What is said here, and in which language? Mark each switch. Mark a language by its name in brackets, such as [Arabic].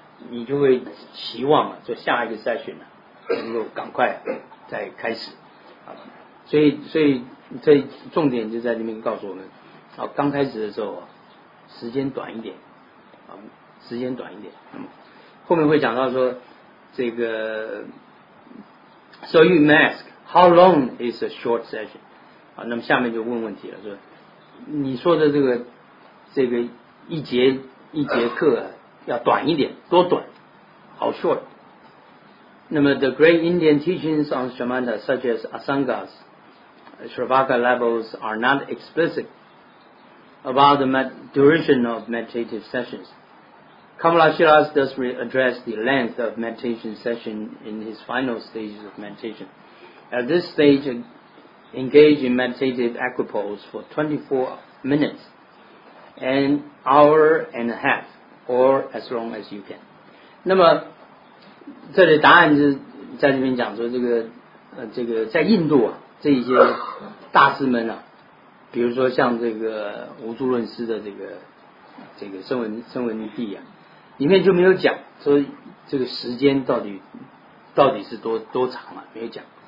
[Chinese] 你就会期望了，就下一个 session 能够赶快再开始，所以这重点就在那边告诉我们，刚开始的时候时间短一点，时间短一点，后面会讲到说这个 ， [English] So you ask how long is a short session？ [Chinese] 那么下面就问问题了，说你说的这个一节课。要短一点，多短，好 short。 [English] 那么 ，the great Indian teachings on Shamatha, such as Asangas, Shravaka levels, are not explicit about the duration of meditative sessions. Kamala Shilas does address the length of meditation session in his final stages of meditation. At this stage, engage in meditative equipoise for 24 minutes, an hour and a half, or as long as you can. [Chinese] 那么这里答案是在这边讲说这个这个在印度啊，这一些大师们啊，比如说像这个无著论师的这个这个声闻地啊，里面就没有讲说这个时间到底是多长了、啊、没有讲。